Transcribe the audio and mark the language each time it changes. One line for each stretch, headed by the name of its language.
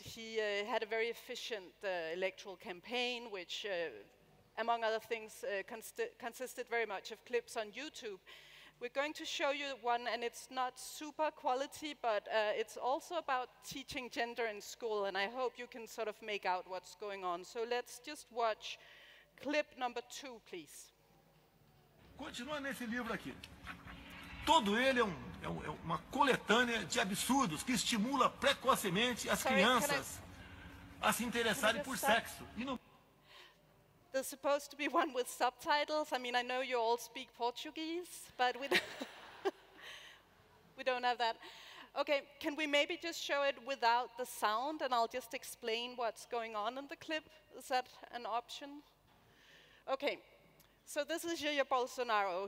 English: He had a very efficient electoral campaign, which, among other things, consisted very much of clips on YouTube. We're going to show you one, and it's not super quality, but it's also about teaching gender in school, and I hope you can sort of make out what's going on. So let's just watch clip number 2, please.
Portuguese: Continua nesse livro aqui. Todo ele é uma coletânea de absurdos que estimula precocemente as crianças a se interessarem por sexo.
English: There's supposed to be one with subtitles. I mean, I know you all speak Portuguese, but we don't have that. Okay, can we maybe just show it without the sound, and I'll just explain what's going on in the clip? Is that an option? Okay, so this is Jair Bolsonaro.